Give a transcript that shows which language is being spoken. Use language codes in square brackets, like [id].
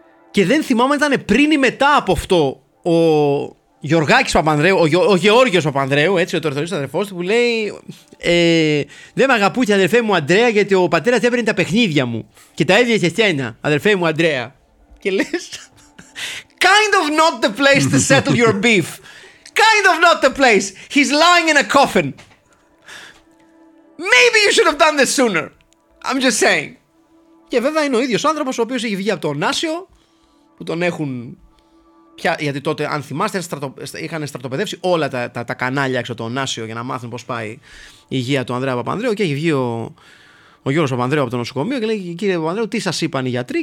[el] Και δεν θυμάμαι αν ήταν πριν ή μετά από αυτό ο Γιωργάκης Παπανδρέου, ο Γεώργιος Παπανδρέου, έτσι, ο τερθωρίστος αδερφός του, που λέει «Δεν με αγαπούσε, αδερφέ μου Αντρέα, γιατί ο πατέρας έπαιρνε τα παιχνίδια μου και τα έδινε σε εσένα, αδερφέ μου Αντρέα». Και λες [en] «Kind of not the place to settle your beef. Kind of not the place. He's lying in a coffin. Maybe you should have done this sooner. I'm just saying». [el] Και βέβαια είναι ο ίδιος ο άνθρωπος ο οποίος έχει βγει από τον Άσιο, που τον έχουν πια, γιατί τότε, αν θυμάστε, είχαν στρατοπεδεύσει όλα τα κανάλια έξω από τον Άσιο για να μάθουν πώς πάει η υγεία του Ανδρέα Παπανδρέου. Και έχει βγει ο Γιώργος Παπανδρέου από το νοσοκομείο και λέει: «Κύριε Παπανδρέου, τι σας είπαν οι γιατροί?»